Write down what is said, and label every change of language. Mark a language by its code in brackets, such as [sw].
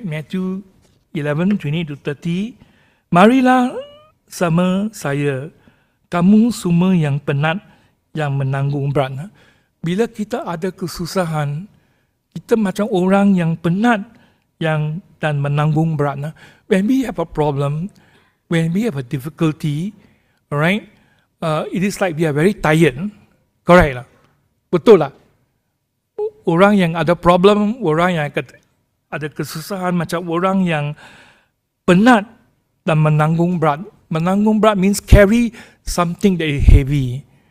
[en] Matthew 11, 28 to 30. [ms] Marilah sama saya, kamu semua yang penat, yang menanggung berat. Bila kita ada kesusahan, kita macam orang yang penat yang dan menanggung berat. [en] When we have a problem, when we have a difficulty, right? It is like we are very tired. Correct lah? [ms] Betul lah? Orang yang ada problem, orang yang ada kesusahan, macam orang yang penat dan menanggung berat. Menanggung berat [en] means carry something that is heavy.